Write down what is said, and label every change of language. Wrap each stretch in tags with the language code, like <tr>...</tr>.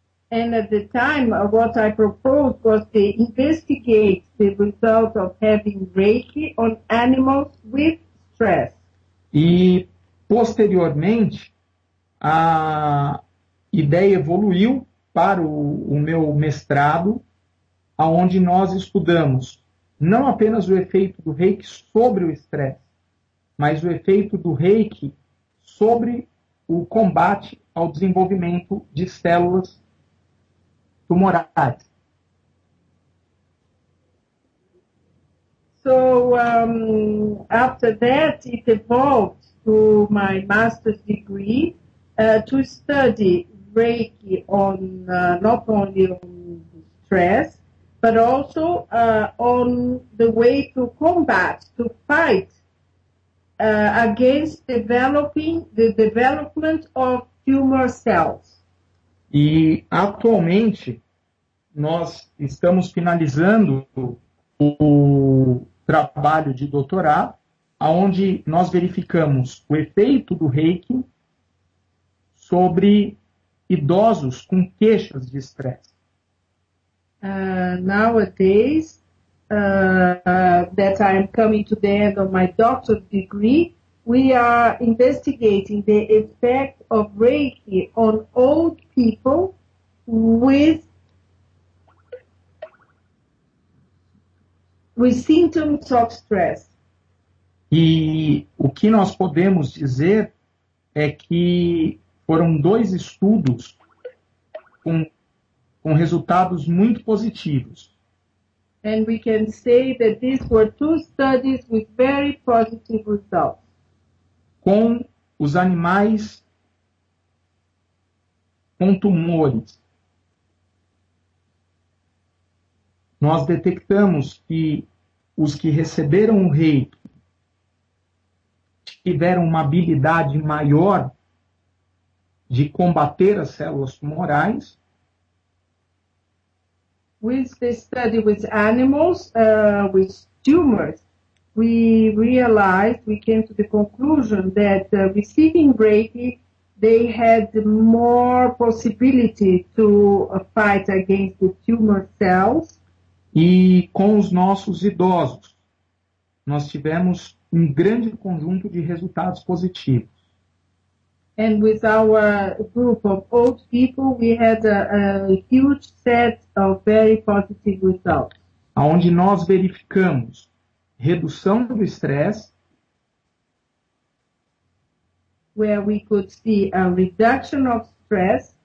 <en>And at the time, what I proposed was to investigate the result of having Reiki on animals with stress.</en> <pt>E, posteriormente, a ideia evoluiu para o meu mestrado, onde nós estudamos não apenas o efeito do Reiki sobre o estresse, mas o efeito do Reiki sobre o combate ao desenvolvimento de células tumorais.</pt> <en>So, after that, it evolved to my master's degree to study Reiki on not only on stress, but also on the way to combat, to fight against developing the development of tumor cells.</en> <pt>E atualmente nós estamos finalizando o trabalho de doutorado, aonde nós verificamos o efeito do Reiki sobre idosos com queixas de estresse.</pt> <en>Nowadays, that I am coming to the end of my doctoral degree, we are investigating the effect of Reiki on old people with symptoms of stress.</en> <pt>E o que nós podemos dizer é que foram dois estudos com resultados muito positivos.</pt> <en>And we can say that these were two studies with very positive results.</en> <pt>Com os animais com tumores, nós detectamos que os que receberam o Reiki tiveram uma habilidade maior de combater as células tumorais.</pt> <en>With the study with animals, with tumors, we realized, we came to the conclusion that receiving Reiki, they had more possibility to fight against the tumor cells.</en> <pt>E com os nossos idosos, nós tivemos um grande conjunto de resultados positivos.</pt> <en>And with our group of old people, we had a huge set of very positive results.</en> <pt>Onde nós verificamos redução do estresse,</pt> <en>where we could see a reduction of stress,</en>